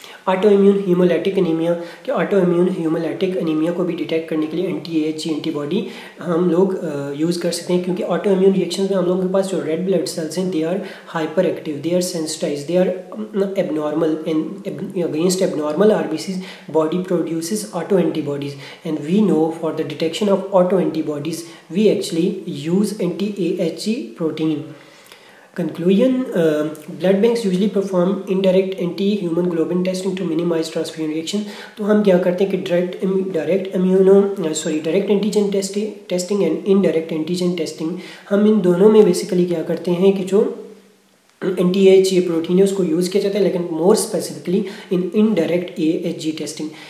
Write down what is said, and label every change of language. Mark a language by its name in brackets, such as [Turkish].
[Hindi] Autoimmune haemolytic anaemia, कि autoimmune haemolytic anaemia को भी डिटेक्ट करने के लिए एंटीएजी एंटीबॉडी हम लोग यूज़ कर सकते हैं, क्योंकि ऑटोइम्यून रिएक्शन में हम लोगों के पास जो रेड ब्लड सेल्स हैं [English] They are hyperactive, they are sensitize, they are abnormal and against abnormal RBC body produces autoantibodies and we know for the detection of autoantibodies we actually use anti AG protein. Conclusion, blood banks usually perform indirect anti-human globulin testing to minimize transfusion reaction. [Hindi] तो हम क्या करते हैं कि [English] direct antigen testing and indirect antigen testing, [Hindi] हम इन दोनों में basically क्या करते हैं कि जो NTHA प्रोटीन है उसको यूज़ किया जाता है, लेकिन [English] More specifically in indirect AHG testing.